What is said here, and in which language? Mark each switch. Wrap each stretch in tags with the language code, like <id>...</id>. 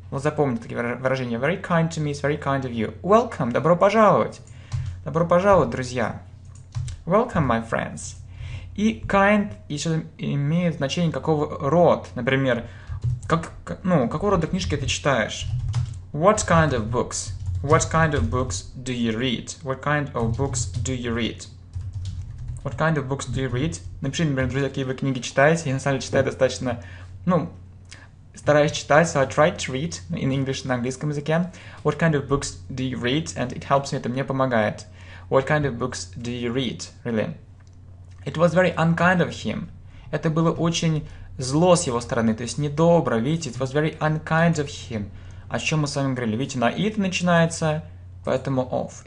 <ru>Вот запомните такие выражения.</ru> <en>Very kind to me. It's very kind of you. Welcome.</en> <ru>Добро пожаловать. Добро пожаловать, друзья.</ru> <en>Welcome, my friends.</en> <ru>И kind еще имеет значение какого рода. Например, как, ну, какого рода книжки ты читаешь?</ru> <en>What kind of books? What kind of books do you read? What kind of books do you read? What kind of books do you read?</en> <ru>Напиши, например, друзья, какие вы книги читаете. Я на самом деле читаю достаточно, ну, стараюсь читать,</ru> <en>so I try to read in English,</en> <ru>на английском языке.</ru> <en>What kind of books do you read? And it helps me,</en> <ru>это мне помогает.</ru> <en>What kind of books do you read, really? It was very unkind of him.</en> <ru>Это было очень зло с его стороны, то есть недобро, видите?</ru> <en>It was very unkind of him.</en> <ru>О чем мы с вами говорили? Видите, на it начинается, поэтому off.</ru>